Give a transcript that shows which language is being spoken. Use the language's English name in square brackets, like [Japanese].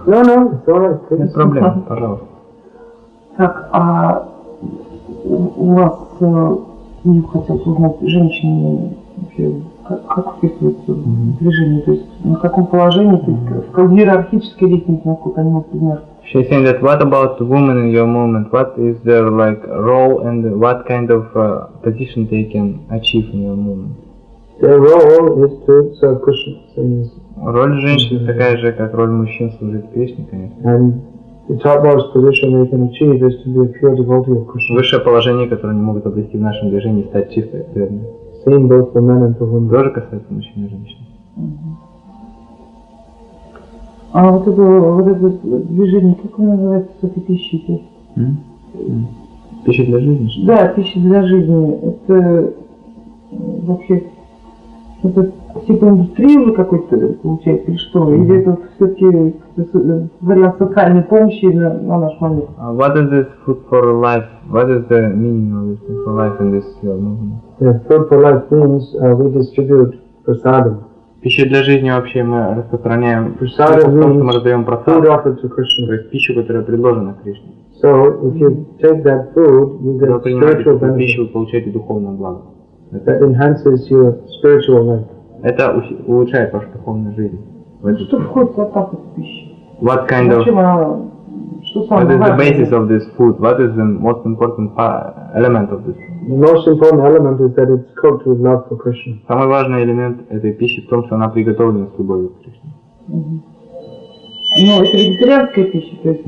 [English] No, it's all right. [Russian] Нет проблем, пожалуйста. Так, а у вас мне хотелось узнать, женщины вообще как вписываются в движение, то есть на каком положении, то есть как иерархически лестнице, насколько они могут узнать. [English] She's saying that what about women in your movement? What is their like role and what kind of position they can achieve in your movement? Their role is to serve Krishna. [Russian] Роль женщины такая же, как роль мужчин служить Кришне, конечно. [English] And the topmost position they can achieve is to be a pure devotee of Krishna. [Russian] Высшее положение, которое они могут обрести в нашем движении, стать чистой преданной. [English] Same both for men and for women. [Russian] Тоже касается мужчин и женщин. А вот это движение, как оно называется, все-таки пищи? Пища для жизни? Что? Да, пища для жизни. Это вообще это типа индустрии уже какой-то получается, или что? Или это все-таки вариант социальной помощи на наш момент? [English] What is this food for life? What is the meaning of this food for life in this movement? Yeah, food for life means we distribute prasadam. [Russian] Пища для жизни вообще мы распространяем мы раздаем просад, то есть пищу, которая предложена Кришне. [English] So, if you take that food, you get spiritual benefit. [Russian] Пищу, вы получаете духовное благо. [English] That enhances your spiritual life. [Russian] Это улучшает вашу духовную жизнь. Что входит в состав этой пищи? [English] What kind of... What is the basis of this food? What is the most important element of this food? The most important element is that it's cooked with love for Krishna. [Russian] Самый важный элемент этой пищи в том, что она приготовлена с любовью к Кришне. Но это вегетарианская пища, то есть...